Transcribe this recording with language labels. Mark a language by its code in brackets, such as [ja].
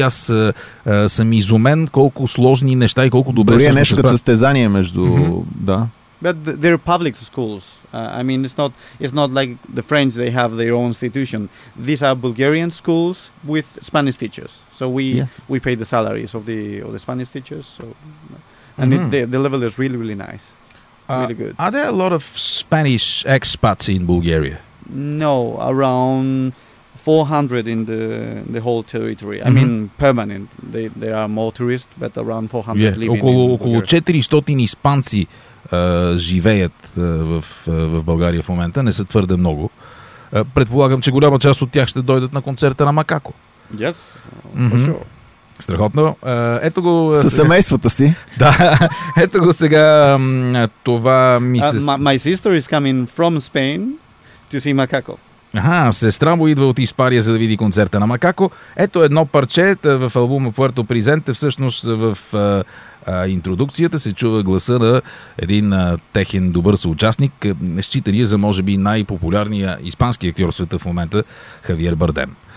[bg] Аз съм изумен колко сложни неща и колко добре се нещо като състезание между... Mm-hmm. Да. [en] But they're public schools. I mean, it's not like the French, they have their own institution. These are Bulgarian schools with Spanish teachers. So we pay the salaries of the Spanish teachers. So, and mm-hmm. the level is really, really nice. Really good. Are there a lot of Spanish expats in Bulgaria? No, around 400 in the whole territory. Mm-hmm. I mean, permanent. They are more tourists, but around 400 yeah, living [bg] около 400 испанци живеят в България в момента. Не са твърде много. Предполагам, че голяма част от тях ще дойдат на концерта на Макако. [en] Yes, for mm-hmm. sure. [bg] Страхотно. Ето го... Със семействата си. Да. Ето го сега това ми се... [en] My sister is coming from Spain to see Макако. [bg] Аха, сестра му идва от Испания, за да види концерта на Макако. Ето едно парче в албума Puerto Presente, всъщност в интродукцията се чува гласа на един техен добър съучастник, считан е за може би най-популярния испански актьор в света в момента, Хавиер Бардем.